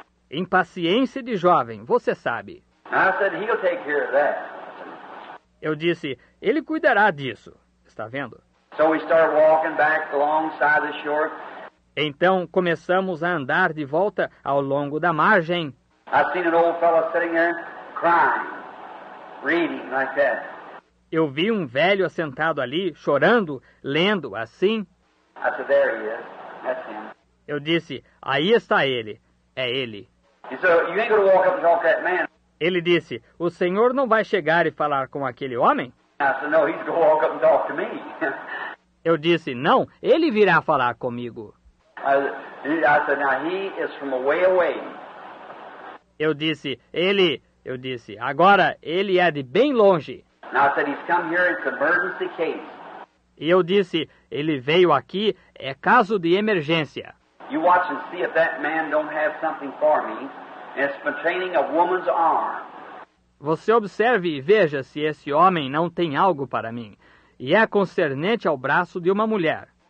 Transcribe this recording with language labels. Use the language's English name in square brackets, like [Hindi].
[Portuguese] Impaciência de jovem, você sabe. [English] I said, he'll take care of that. [Portuguese] Eu disse, ele cuidará disso, está vendo? [English] So we started walking back alongside the shore. [Portuguese] Então começamos a andar de volta ao longo da margem. [English] I seen an old fellow sitting there crying, reading like that. [Portuguese] Eu vi um velho assentado ali, chorando, lendo, assim. [English] I said, there he is. That's him. [Portuguese] Eu disse, aí está ele. É ele. [English] He said, you ain't gonna walk up and talk to that man. [Portuguese] Ele disse, o senhor não vai chegar e falar com aquele homem? [English] I said, no, he's gonna walk up and talk to me. [Portuguese] Eu disse, não, ele virá falar comigo. [English] I said, now he is from a way away. [Portuguese] Eu disse, agora ele é de bem longe. [English] Now I said, he's come here in emergency case. [Portuguese] E eu disse, ele veio aqui, é caso de emergência. [English] You watch and see if that man don't have something for me. It's containing a woman's arm. [Portuguese] Você observe e veja se esse homem não tem algo para mim. E é concernente ao braço de uma mulher.